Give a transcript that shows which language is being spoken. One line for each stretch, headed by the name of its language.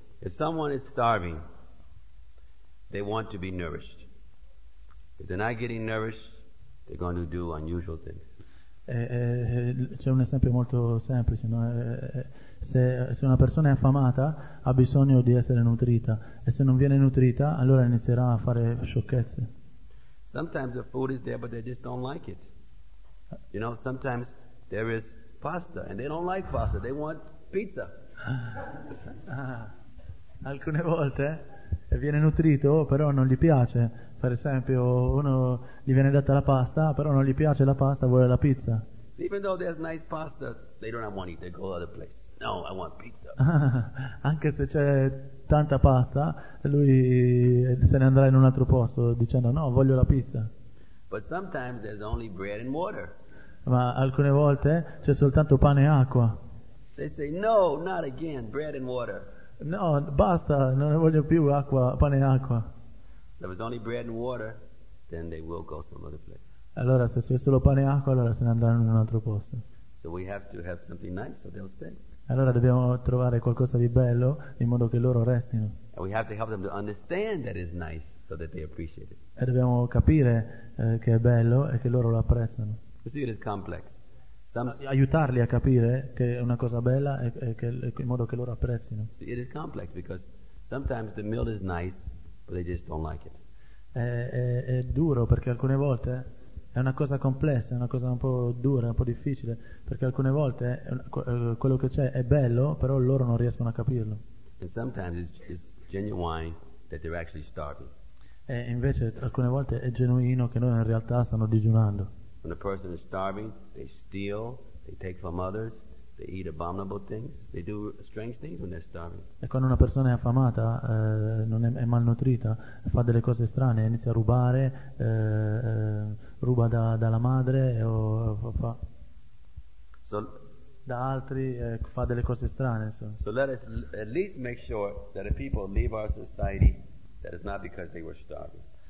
English: If someone is starving, they want to be nourished. If they're not getting nourished, they're going to do unusual things.
Italian: C'è un esempio molto semplice, no? Se una persona è affamata ha bisogno di essere nutrita e se non viene nutrita allora inizierà a fare sciocchezze.
English: Sometimes the food is there but they just don't like it. You know, sometimes there is pasta and they don't like pasta, they want pizza.
Italian: Alcune volte viene nutrito però non gli piace. Per esempio, uno gli viene data la pasta, però non gli piace la pasta, vuole la pizza.
English: Even though there's nice pasta, they don't want to eat, they go to other place. No, I want pizza.
Italian: Anche se c'è tanta pasta, lui se ne andrà in un altro posto dicendo no, voglio la pizza.
English: But sometimes there's only bread and water.
Italian: Ma alcune volte c'è soltanto pane e acqua.
English: They say no, not again, bread and water.
Italian: No, basta, non ne voglio più acqua, pane e acqua.
English: If there's only bread and water, then they will go some other place.
Italian: Allora se c'è solo pane e acqua, allora se ne andranno in un altro posto.
English: So we have to have something nice so they'll stay.
Italian: Allora dobbiamo trovare qualcosa di bello in modo che loro restino.
English: And we have to help them to understand that it's nice so that they appreciate it.
Italian: E dobbiamo capire che è bello e che loro lo apprezzano.
English: You see, it is complex.
Italian: Aiutarli a capire che è una cosa bella e in modo che loro apprezzino.
English: See, it is complex because sometimes the meal is nice. But they just don't like it.
Italian: È duro perché alcune volte è una cosa complessa, è una cosa un po' dura, un po' difficile, perché alcune volte quello che c'è è bello, però loro non riescono a capirlo.
English: And sometimes it's genuine that they're actually starving.
Italian: E invece alcune volte è genuino che noi in realtà stanno digiunando.
English: When a person is starving, they steal, they take from others. They eat abominable things. They do strange things when they're starving.
Italian: E quando una persona è affamata, non è malnutrita, fa delle cose strane, inizia a rubare, ruba dalla madre o fa
English: so,
Italian: da altri, fa delle cose strane.
English: So let us at least make sure that if people leave our society, that it's not because they were starving.